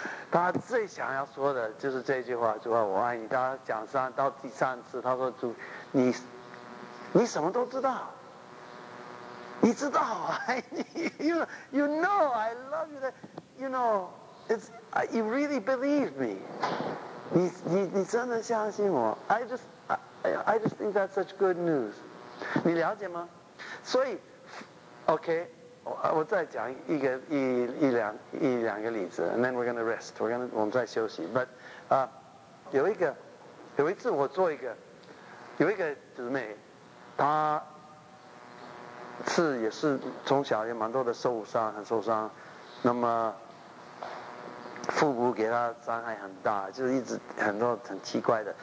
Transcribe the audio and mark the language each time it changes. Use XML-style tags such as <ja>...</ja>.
<zh>他最想要说的就是这句话，主啊我爱你，他讲三到第三次他说主你什么都知道，你知道我爱你，</zh> <en>you know I love you that,You know, it's you really believe me.</en> <zh>你真的相信我。</zh> <en>I just think that's such good news.</en> <zh>你了解吗？所以 ，OK， 我再讲一两个例子 ，</zh> <en>and then we're gonna rest.</en> <zh>我们再休息。 But 啊、有一次我做一个姊妹，她是也是从小也蛮多的受伤，很受伤，那么。父母给他伤害很大，就是一直很多很奇怪的。</zh>